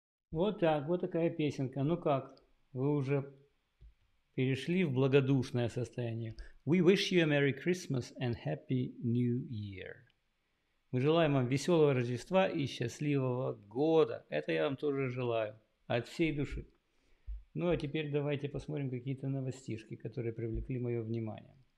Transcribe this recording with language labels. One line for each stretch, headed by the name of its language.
Russian: Вот так, вот такая песенка. Ну как, вы уже перешли в благодушное состояние.
English: We wish you a Merry Christmas and Happy New Year.
Russian: Мы желаем вам веселого Рождества и счастливого года. Это я вам тоже желаю от всей души. Ну а теперь давайте посмотрим какие-то новостишки, которые привлекли мое внимание.